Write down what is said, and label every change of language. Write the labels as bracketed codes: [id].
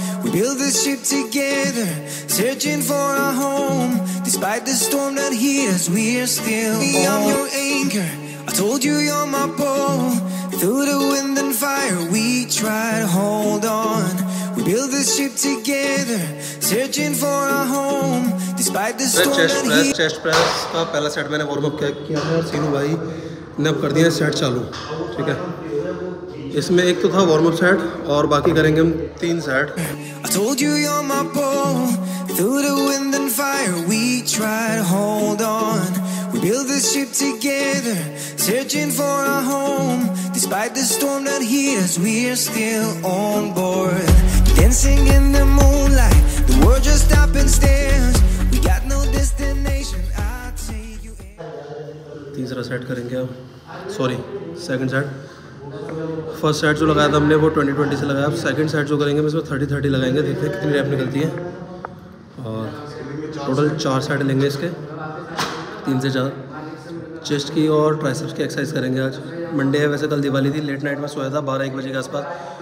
[en] We build this ship together, searching for a home. Despite the storm that hit us, we're still home. I'm your anchor. I told you you're my pole. Through the wind and fire, we try to hold on. We build this ship together, searching for a home. Despite the storm [hi] chest that press, chest press का पहला set मैंने warm up किया है। सीनू भाई ने अब कर दिया सेट चालू। ठीक है, इसमें एक तो था वार्म अप सेट और बाकी करेंगे हम 3 set. [en] I told you you're my pole. Through the wind and fire, we try to hold on. We build this ship together, searching for a home. Despite the storm that hit us, we're still on board. Dancing in the moonlight, the world just stops and stares. We got no destination, I'll take you in. [hi] Teesra set karenge ab. [en] Sorry, second set. [hi] First set जो लगाया था हमने वो 20-20 से लगाया। अब second set जो करेंगे इसमें 30-30 लगाएंगे, देखते हैं कितनी रैप निकलती है। और टोटल 4 सेट लेंगे इसके, 3 से ज़्यादा। चेस्ट की और ट्राइसेप्स की एक्सरसाइज करेंगे आज। मंडे है वैसे, कल दिवाली थी, लेट नाइट में सोया था 12-1 बजे के आसपास।